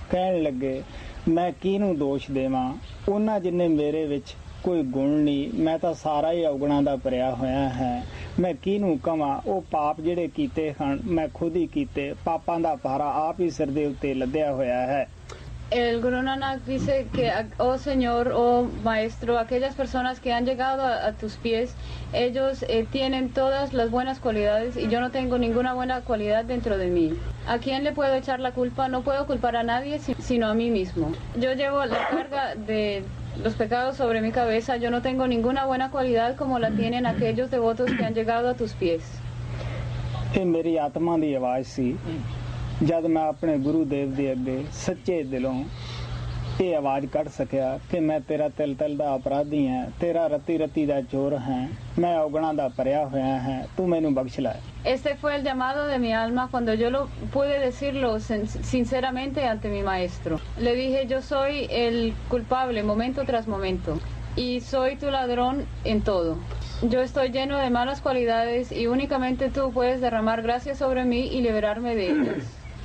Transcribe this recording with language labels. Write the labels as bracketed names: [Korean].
[Punjabi] ਕਹਿਣ ਲੱਗੇ ਮੈਂ ਕਿਹਨੂੰ ਦੋਸ਼ ਦੇਵਾਂ, ਉਹਨਾਂ ਜਿੰਨੇ ਮੇਰੇ ਵਿੱਚ ਕੋਈ ਗੁਣ ਨਹੀਂ, ਮੈਂ ਤਾਂ ਸਾਰਾ ਹੀ ਔਗੁਣਾਂ ਦਾ ਭਰਿਆ ਹੋਇਆ ਹੈ, ਮੈਂ ਕਿਹਨੂੰ ਕਹਾਂ। ਉਹ ਪਾਪ ਜਿਹੜੇ ਕੀਤੇ ਹਨ ਮੈਂ ਖੁਦ ਹੀ ਕੀਤੇ, ਪਾਪਾਂ ਦਾ ਭਾਰਾ ਆਪ ਹੀ ਸਿਰ ਦੇ ਉੱਤੇ ਲੱਦਿਆ ਹੋਇਆ ਹੈ। [Spanish] El Guru Nanak dice que, oh Señor, oh Maestro, aquellas personas que han llegado a tus pies, ellos tienen todas las buenas cualidades y yo no tengo ninguna buena cualidad dentro de mí. ¿A quién le puedo echar la culpa? No puedo culpar a nadie sino a mí mismo. Yo llevo la carga de los pecados sobre mi cabeza, yo no tengo ninguna buena cualidad como la tienen aquellos devotos que han llegado a tus pies. Es mi alma de voz, sí. [Punjabi] ਜਦ ਮੈਂ ਆਪਣੇ ਗੁਰੂ ਦੇਵ ਦੇ ਅੱਗੇ ਸੱਚੇ ਦਿਲੋਂ ਇਹ ਆਵਾਜ਼ ਕੱਢ ਸਕਿਆ ਕਿ ਮੈਂ ਤੇਰਾ ਤਿਲ ਤਿਲ ਦਾ ਅਪਰਾਧੀ ਹੈ, ਤੇਰਾ ਰਤੀ ਰਤੀ ਦਾ ਚੋਰ ਹੈ, ਮੈਂ ਔਗਣਾਂ ਦਾ ਭਰਿਆ ਹੋਇਆ ਹੈ, ਤੂੰ ਮੈਨੂੰ ਬਖਸ਼ ਲੈ। [Spanish] Este fue el llamado de mi alma cuando yo lo pude decirlo sinceramente ante mi maestro. Le dije, yo soy el culpable momento tras momento y soy tu ladrón en todo. Yo estoy lleno de malas cualidades y únicamente tú puedes derramar gracia sobre mí y liberarme de ellas.